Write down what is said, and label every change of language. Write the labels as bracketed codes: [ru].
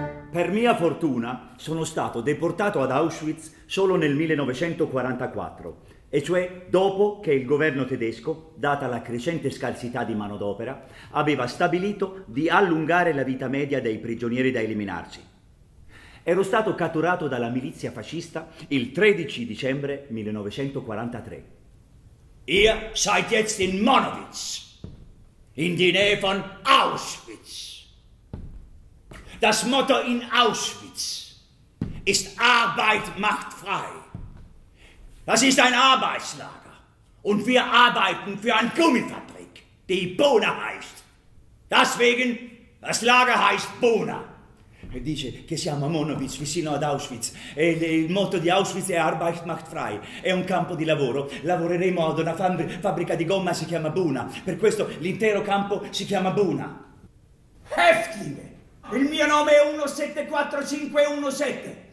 [it] Per fortuna sono stato deportato ad Auschwitz solo nel 1944, e cioè dopo che il governo tedesco, data la crescente scarsità di manodopera, aveva stabilito di allungare la vita media dei prigionieri da eliminarci. Ero stato catturato dalla milizia fascista il 13 dicembre 1943. [de] Ihr seid jetzt in Monowitz, in die Nähe von Auschwitz. Das Motto in Auschwitz ist Arbeit macht frei. Das ist ein Arbeitslager. Und wir arbeiten für eine Gummifabrik, die Bona heißt. Deswegen, das Lager heißt Bona. [it] E dice che siamo a Monowitz, vicino ad Auschwitz. E il motto di Auschwitz è [de] Arbeit macht frei. [it] È un campo di lavoro. Lavoreremo ad una fabbrica di gomma, si chiama Bona. Per questo l'intero campo si chiama Bona. [de] Häftlinge! [it] Il mio nome è 174517.